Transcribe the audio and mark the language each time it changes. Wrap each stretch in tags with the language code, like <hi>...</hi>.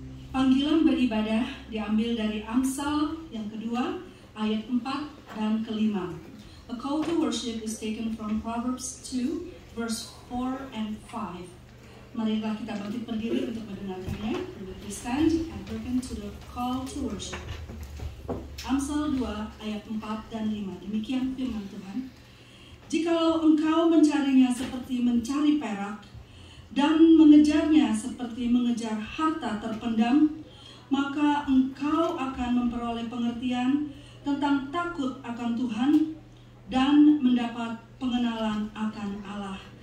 <id>Panggilan beribadah diambil dari Amsal yang kedua, ayat 4 dan kelima.</id> <en>A call to worship is taken from Proverbs 2, verse 4 and 5.</en> <id>Marilah kita bangkit berdiri untuk mendengarkannya.</id> <en>We stand and hearken to the call to worship.</en> <id>Amsal 2, ayat 4 dan 5. Demikian firman Tuhan. Jikalau engkau mencarinya seperti mencari perak, dan mengejarnya seperti mengejar harta terpendam, maka engkau akan memperoleh pengertian tentang takut akan Tuhan dan mendapat pengenalan akan Allah.</id>